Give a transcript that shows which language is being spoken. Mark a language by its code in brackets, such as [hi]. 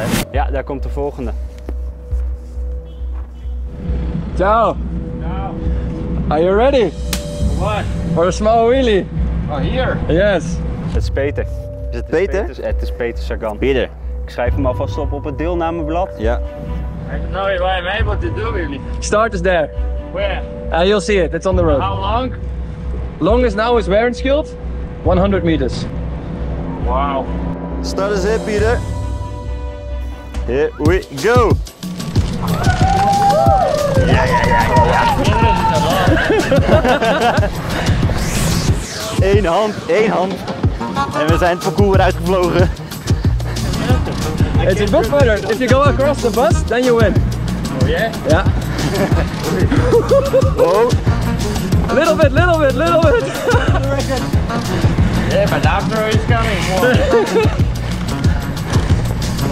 [nl] Ja, daar komt de volgende. [en] Ciao. Are you ready? For what? For a small wheelie. Oh, here? Yes. [nl] Het is Peter. Is het Peter? Het is Peter Sagan. Peter. Ik schrijf hem alvast op het deelnamenblad. Ja. [en] I don't know why I'm able to do wheelie. Start is there. Where? You'll see it, it's on the road. How long? Longest now is Warren Skilled, 100 meters. Wow. Start is here, Peter. Here we go. Yeah. [nl] één hand. En we zijn het parcours weer uitgevlogen. [en] It's a bit further. If you go across the bus, then you win. Oh yeah? Yeah. Oh. Little bit. Yeah, but after he's coming.